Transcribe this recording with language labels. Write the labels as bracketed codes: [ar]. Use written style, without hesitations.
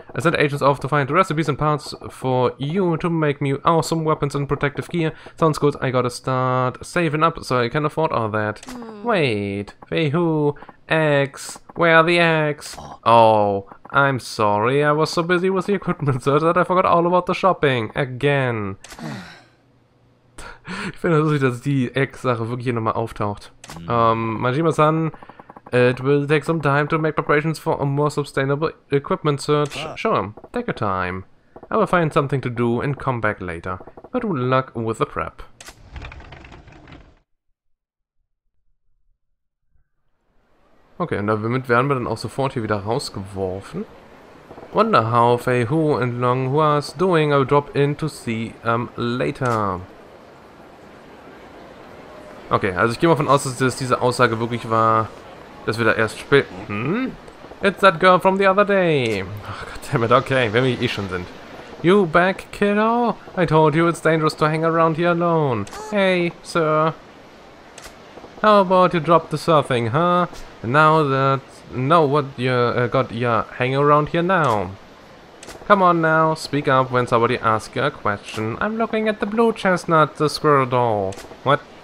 [en] I sent agents off to find recipes and parts for you to make me awesome weapons and protective gear. Sounds good. I gotta start saving up so I can afford all that. Wait. Feihu. Eggs. Where are the eggs? Oh. I'm sorry, I was so busy with the equipment search that I forgot all about the shopping. Again. [de] Ich finde es lustig, dass die Egg-Sache wirklich hier nochmal auftaucht. [en] Majima-san, it will take some time to make preparations for a more sustainable equipment search. Sure, take your time. I will find something to do and come back later. But good luck with the prep. [de] Okay, und damit werden wir dann auch sofort hier wieder rausgeworfen. [en] Wonder how Feihu and Longhua's doing, I'll drop in to see later. [de] Okay, also ich gehe mal davon aus, dass das diese Aussage wirklich war, dass wir da erst später... Hm? [en] It's that girl from the other day. Ach, goddammit, okay, [de] wenn wir eh schon sind. [en] You back, kiddo? I told you it's dangerous to hang around here alone. Hey, sir. How about you drop the surfing, huh? Now that know what you got, yeah, hang around here now. Come on now, speak up when somebody asks you a question. I'm looking at the blue chestnut, the squirrel doll. What?